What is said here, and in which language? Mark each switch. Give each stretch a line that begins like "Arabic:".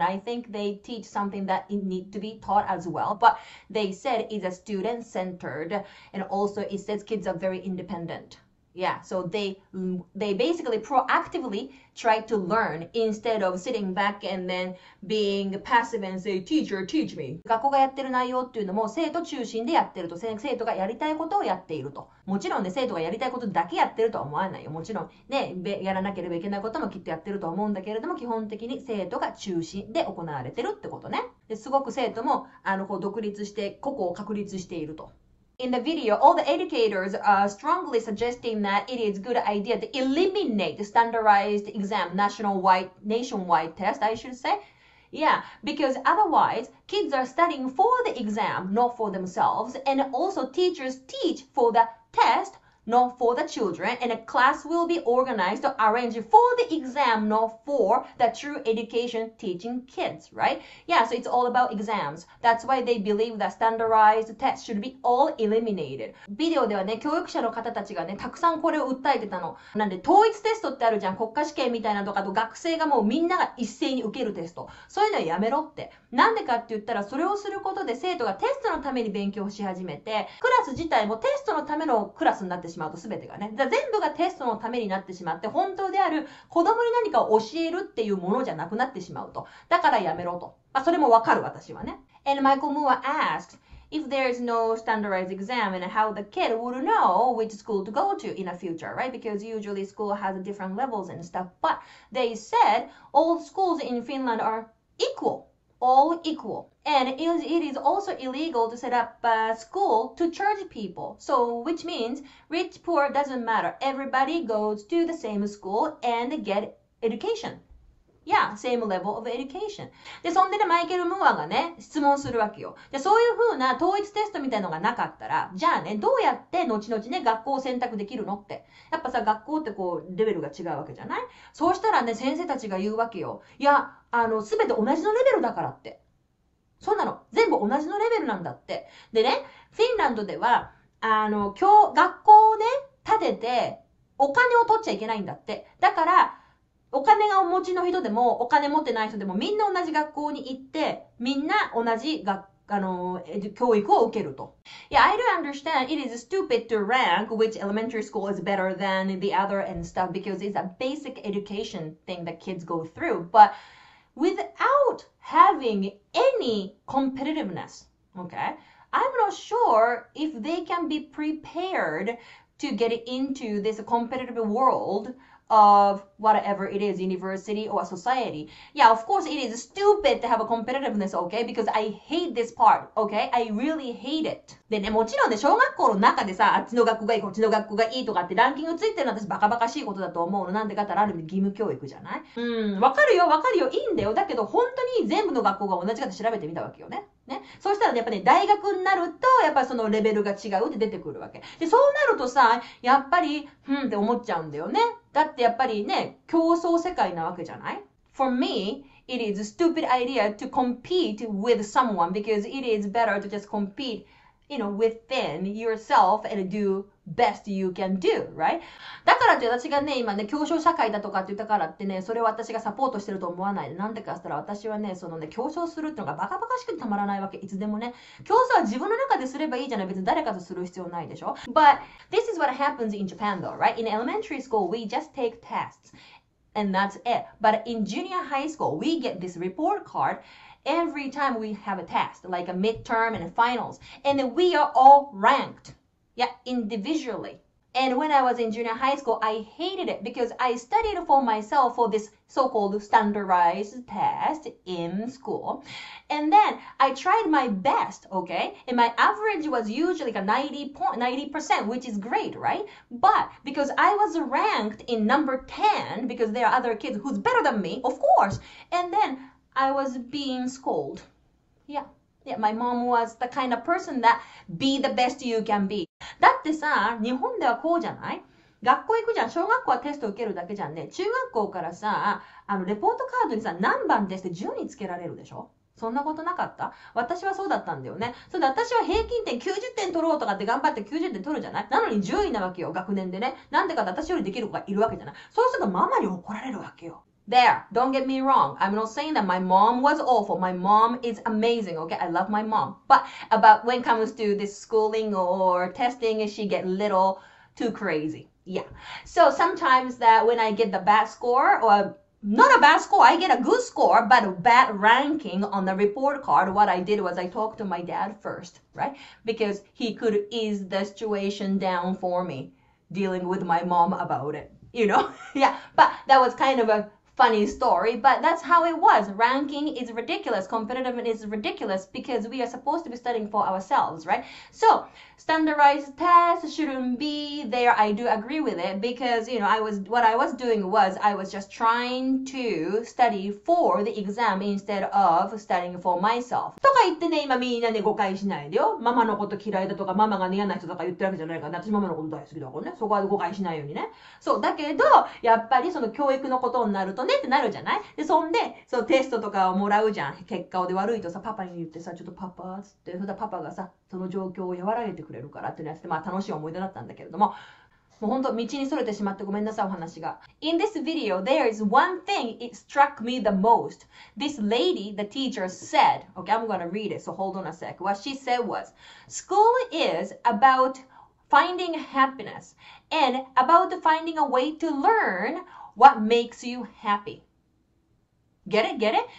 English: I think they teach something that needs to be taught as well. But they said it's a student-centered. And also, it says kids are very independent. Yeah, so they basically proactively try to learn instead of sitting back and then being passive and say, teacher, teach me.
Japanese: 学校がやってる内容っていうのも生徒中心でやってると、生徒がやりたいことをやっていると。もちろんね、生徒がやりたいことだけやってるとは思わないよ。もちろんね、やらなければいけないこともきっとやってると思うんだけれども、基本的に生徒が中心で行われてるってことね。ですごく生徒も、こう独立して、個々を確立していると。
English: In the video, all the educators are strongly suggesting that it is a good idea to eliminate the standardized exam, nationwide test, I should say. Yeah, because otherwise, kids are studying for the exam, not for themselves, and also teachers teach for the test, not for the children, and a class will be organized or arranged for the exam, not for the true education teaching kids, right? Yeah, so it's all about exams. That's why they believe that standardized tests should be all eliminated.
Japanese: ビデオではね、教育者の方たちがね、たくさんこれを訴えてたの。なんで、統一テストってあるじゃん。国家試験みたいなとか、と学生がもうみんなが一斉に受けるテスト。そういうのはやめろって。なんでかって言ったら、それをすることで生徒がテストのために勉強し始めて、クラス自体もテストのためのクラスになってしまうと全てがね。全部がテストのためになってしまって、本当である子供に何かを教えるっていうものじゃなくなってしまうと。だからやめろと。まあ、それもわかる私はね。
English: And Michael Moore asks, if there is no standardized exam and how the kid would know which school to go to in the future, right? Because usually school has different levels and stuff. But they said all schools in Finland are equal. All equal. And it is also illegal to set up a school to charge people. So, which means rich, poor doesn't matter. Everybody goes to the same school and get education. Yeah, same level of education.
Japanese: で、そんでね、マイケル・ムーアがね、質問するわけよ。で、そういうふうな統一テストみたいのがなかったら、じゃあね、どうやって後々ね、学校を選択できるのって。やっぱさ、学校ってこう、レベルが違うわけじゃない?そうしたらね、先生たちが言うわけよ。いや、すべて同じのレベルだからって。そうなの。全部同じのレベルなんだって。でね、フィンランドでは、学校をね、建てて、お金を取っちゃいけないんだって。だから、お金がお持ちの人でも、お金持ってない人でも、みんな同じ学校に行って、みんな同じ教育を受けると。
English: Yeah, I do understand it is stupid to rank which elementary school is better than the other and stuff because it's a basic education thing that kids go through. But without having any competitiveness, okay, I'm not sure if they can be prepared to get into this competitive world. Of whatever it is, university or society. Yeah, of course, it is stupid to have a competitiveness, okay? Because I hate this part, okay? I really hate it.
Japanese: でね、もちろんね、小学校の中でさ、あっちの学校がいい、こっちの学校がいいとかってランキングついてるのは私バカバカしいことだと思うの。なんでかたらある意味義務教育じゃない? わかるよ、わかるよ、いいんだよ。だけど、本当に全部の学校が同じかって調べてみたわけよね。ね、そうしたら、ね、やっぱり、ね、大学になるとやっぱりそのレベルが違うって出てくるわけで、そうなるとさ、やっぱりうんって思っちゃうんだよね。だってやっぱりね、競争世界なわけじゃない。
English: For me it is a stupid idea to compete with someone because it is better to just compete, you know, within yourself and do best you can do, right?
Japanese: だからって私がね、今ね、競争社会だとかって言ったからってね、それを私がサポートしてると思わないで、なんでかって言ったら、私はね、そのね、競争するってのがバカバカしくてたまらないわけ、いつでもね。競争は自分の中ですればいいじゃない、別に誰かとする必要ないでしょ。
English: But this is what happens in Japan though, right? In elementary school, we just take tests. And that's it. But in junior high school, we get this report card every time we have a test, like a midterm and a finals. And we are all ranked. Yeah, individually. And when I was in junior high school, I hated it because I studied for myself for this so-called standardized test in school. And then I tried my best, okay? And my average was usually like a 90%, which is great, right? But because I was ranked in number 10, because there are other kids who's better than me, of course. And then I was being scolded. Yeah. Yeah, my mom was the kind of person that be the best you can be.
Japanese: だってさ、日本ではこうじゃない？学校行くじゃん。小学校はテスト受けるだけじゃんね。中学校からさ、あのレポートカードにさ、何番ですって順につけられるでしょ？そんなことなかった？私はそうだったんだよね。そうだ、私は平均点90点取ろうとかって頑張って90点取るじゃない？なのに10位なわけよ、学年でね。なんでかって私よりできる子がいるわけじゃない。そうするとママに怒られるわけよ。
English: There, don't get me wrong. I'm not saying that my mom was awful. My mom is amazing, okay? I love my mom. But about when it comes to this schooling or testing, she get little too crazy. Yeah. So sometimes that when I get the bad score or not a bad score, I get a good score, but a bad ranking on the report card, what I did was I talked to my dad first, right? Because he could ease the situation down for me dealing with my mom about it, you know? Yeah, but that was kind of a... Funny story, but that's how it was. Ranking is ridiculous. Competitiveness is ridiculous because we are supposed to be studying for ourselves, right? So, standardized tests shouldn't be there. I do agree with it because, you know, what I was doing was I was just trying to study for the exam instead of studying for myself.
Japanese: とか言ってね、今みんなね、誤解しないでよ。ママのこと嫌いだとか、ママが嫌な人とか言ってるわけじゃないから、私ママのこと大好きだからね。そこは誤解しないようにね。そう、だけど、やっぱりその教育のことになるとねってなるじゃない。でそんでそのテストとかをもらうじゃん、結果をで悪いとさパパに言ってさ、ちょっとパパつって、そんでパパがさその状況を和らげてくれるからってやつで、まあ楽しい思い出だったんだけれども、もう本当道にそれてしまってごめんなさい、お話が。
English: In this video there is one thing it struck me the most. This lady, the teacher said, okay, I'm gonna read it, so hold on a sec. What she said was, school is about finding happiness and about finding a way to learnWhat makes you happy? Get it? Get it?